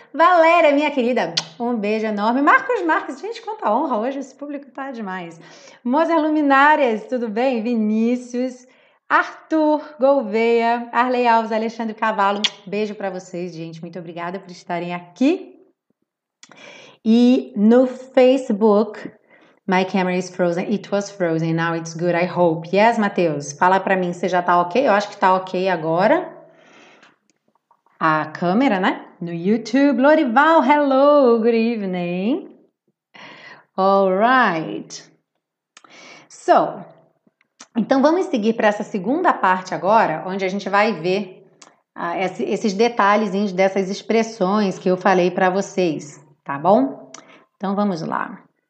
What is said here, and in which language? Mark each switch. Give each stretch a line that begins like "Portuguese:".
Portuguese: Valéria, minha querida, um beijo enorme. Marcos Marques, gente, quanta honra hoje, esse público tá demais. Mozer Luminárias, tudo bem? Vinícius, Arthur Gouveia, Arley Alves, Alexandre Cavalo, beijo para vocês, gente. Muito obrigada por estarem aqui. E no
English: Facebook, my camera is frozen, it was frozen, now it's good, I hope.
Portuguese: Yes, Matheus, fala para mim, você já tá ok? Eu acho que tá ok agora. A câmera, né? No YouTube.
English: Lorival, hello, good evening. All right.
Portuguese: So, então vamos seguir para essa segunda parte agora, onde a gente vai ver esses detalhezinhos dessas expressões que eu falei para vocês, tá bom? Então vamos lá.